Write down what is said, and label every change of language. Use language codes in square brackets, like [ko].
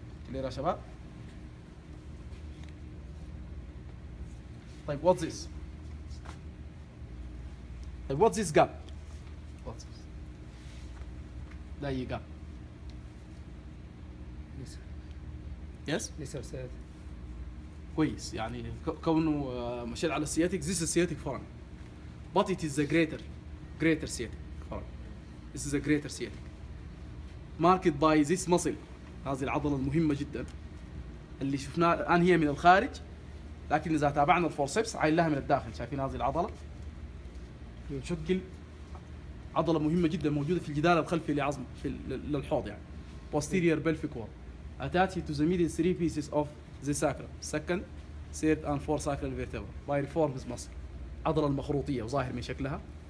[en] clear [ar] يا شباب؟ طيب [en] What's this? What's this gap? What's this? There you go. Yes. Yes? Yes, I said. [ar] كويس يعني كونه مشيت على السياتيك. [en] This is sciatic foramen. But it is the greater sciatic foramen. This is the greater sciatic. marked by this muscle. [ar] هذه العضلة المهمة جدا اللي شفناها الآن هي من الخارج لكن إذا تابعنا الفورسيبس عينناها من الداخل شايفين هذه العضلة تشكل عضلة مهمة جدا موجودة في الجدار الخلفي لعظم في للحوض يعني [en] posterior pelvic wall attached to the middle three pieces of the sacrum second third and fourth sacral vertebra by reformed muscle [ar] عضلة المخروطية وظاهر من شكلها